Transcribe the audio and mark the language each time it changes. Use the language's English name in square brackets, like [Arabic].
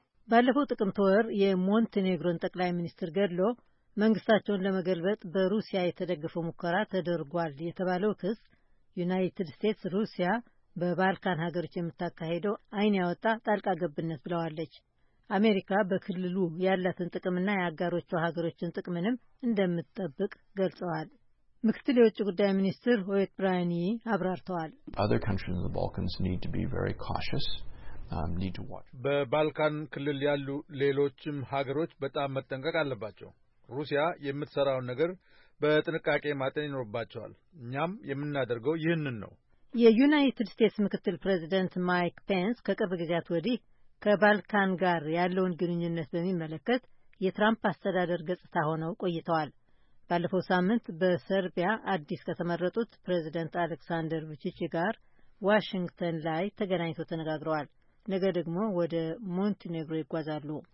[Amharic] ባለፈው ጥቅምት ወር የሞንቴኔግሮን ጠቅላይ ሚኒስትር ገድሎ መንግስታቸውን ለመገልበጥ በሩሲያ የተደገፈው ሙከራ ተደርጓል የተባለው ክስ ዩናይትድ ስቴትስ ሩሲያ በባልካን ሀገሮች የምታካሄደው አይን ያወጣ ጣልቃ ገብነት ብለዋለች። አሜሪካ በክልሉ ያላትን ጥቅምና የአጋሮቿ ሀገሮችን ጥቅምንም እንደምትጠብቅ ገልጸዋል። ምክትል የውጭ ጉዳይ ሚኒስትር ሆይት ብራያኒ አብራርተዋል። [English] Other countries in the Balkans need to be very cautious, need to watch. [Amharic] በባልካን ክልል ያሉ ሌሎችም ሀገሮች በጣም መጠንቀቅ አለባቸው። ሩሲያ የምትሰራው ነገር በጥንቃቄ ማጤን ይኖርባቸዋል። እኛም የምናደርገው ይህንን ነው። የዩናይትድ ስቴትስ ምክትል ፕሬዚደንት ማይክ ፔንስ ከቅርብ ጊዜያት ወዲህ ከባልካን ጋር ያለውን ግንኙነት በሚመለከት የትራምፕ አስተዳደር ገጽታ ሆነው ቆይተዋል። ባለፈው ሳምንት በሰርቢያ አዲስ ከተመረጡት ፕሬዚደንት አሌክሳንደር ቪቺች ጋር ዋሽንግተን ላይ ተገናኝተው ተነጋግረዋል። ነገ ደግሞ ወደ ሞንቴኔግሮ ይጓዛሉ።